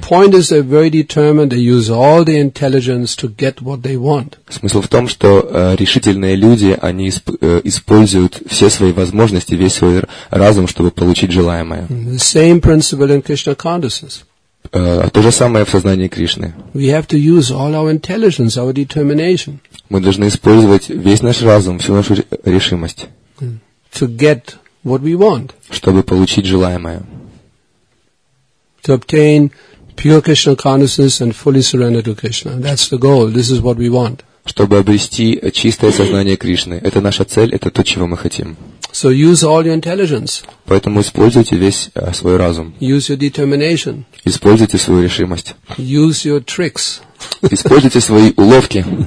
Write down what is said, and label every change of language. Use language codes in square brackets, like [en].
[en] The point is they're very determined, they use all the intelligence to get what they want. [ru] Смысл в том, что решительные люди, они используют все свои возможности, весь свой разум, чтобы получить желаемое. [en] The same principle in Krishna consciousness. [ru] То же самое в сознании Кришны. [en] We have to use all our intelligence, our determination. [ru] Мы должны использовать весь наш разум, всю нашу решимость. [en] To get what we want. [ru] Чтобы получить желаемое. [en] To obtain pure Krishna consciousness and fully surrender to Krishna. That's the goal. This is what we want. [ru] Чтобы обрести чистое сознание Кришны. Это наша цель, это то, чего мы хотим. [en] So use all your intelligence. [ru] Поэтому используйте весь свой разум. [en] Use your determination. [ru] Используйте свою решимость. [en] Use your tricks. [ru] Используйте свои уловки.